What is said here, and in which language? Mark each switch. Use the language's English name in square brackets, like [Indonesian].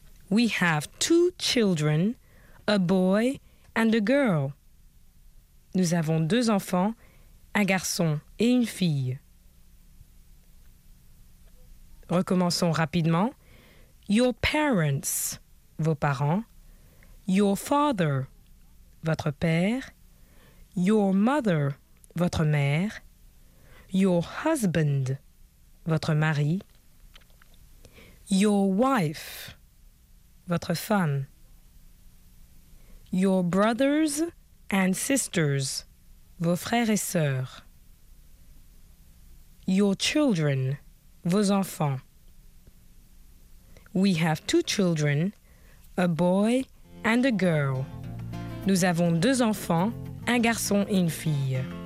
[English] We have two children, a boy and a girl. [French] Nous avons deux enfants, un garçon et une fille. Recommençons rapidement. [English] Your parents, [French] vos parents. [English] Your father, [French] votre père. [English] Your mother, [French] votre mère. [English] Your husband, [French] votre mari. [English] Your wife, [French] votre femme. [English] Your brothers and sisters, [French] vos frères et sœurs. [English] Your children, [French] vos enfants. [English] We have two children, a boy and a girl. [French] Nous avons deux enfants, un garçon et une fille.